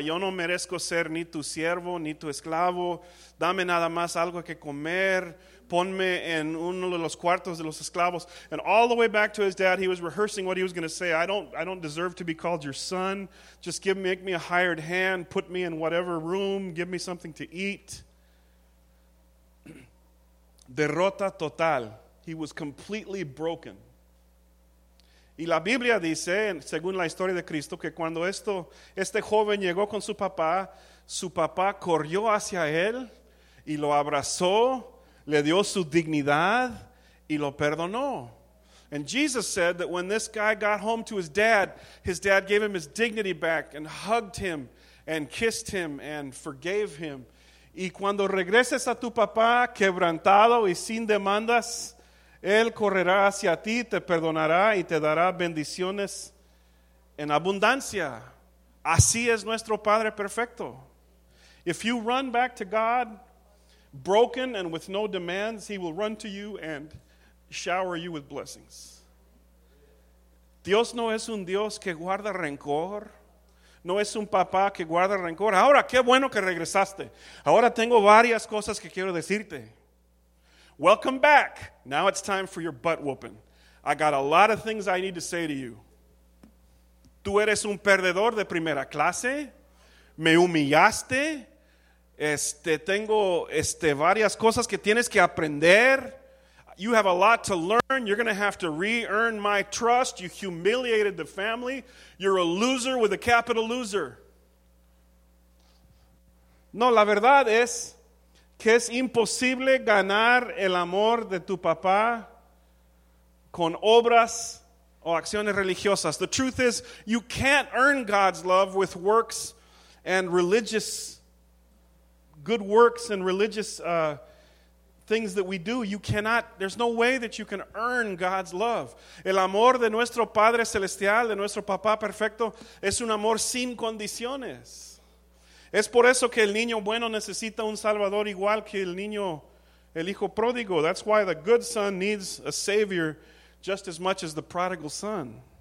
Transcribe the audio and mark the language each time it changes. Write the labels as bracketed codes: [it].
[es] Yo no merezco ser ni tu siervo ni tu esclavo. Dame nada más algo que comer. Ponme en uno de los cuartos de los esclavos. [en] And all the way back to his dad, he was rehearsing what he was going to say. I don't deserve to be called your son. Just make me a hired hand. Put me in whatever room. Give me something to eat. [es] Derrota total. [en] He was completely broken. [es] Y la Biblia dice, según la historia de Cristo, que cuando este joven llegó con su papá corrió hacia él y lo abrazó. Le dio su dignidad y lo perdonó. [en] And Jesus said that when this guy got home to his dad gave him his dignity back and hugged him and kissed him and forgave him. [es] Y cuando regreses a tu papá quebrantado y sin demandas, él correrá hacia ti, te perdonará y te dará bendiciones en abundancia. Así es nuestro Padre perfecto. [en] If you run back to God, broken and with no demands, he will run to you and shower you with blessings. [es] Dios no es un Dios que guarda rencor. No es un papá que guarda rencor. Ahora, qué bueno que regresaste. Ahora tengo varias cosas que quiero decirte. [en] Welcome back. Now it's time for your butt whooping. I got a lot of things I need to say to you. [es] tú eres un perdedor de primera clase, me humillaste, tengo varias cosas que tienes que aprender. [en] You have a lot to learn. You're going to have to re-earn my trust. You humiliated the family. You're a loser with a capital loser. [es] No, la verdad es que es imposible ganar el amor de tu papá con obras o acciones religiosas. [en] The truth is, you can't earn God's love with works and religious, good works and religious things that we do. You cannot, there's no way that you can earn God's love. [es] El amor de nuestro Padre Celestial, de nuestro Papá Perfecto, es un amor sin condiciones. Es por eso que el niño bueno necesita un Salvador igual que el niño, el hijo pródigo. [en] That's why the good son needs a Savior just as much as the prodigal son.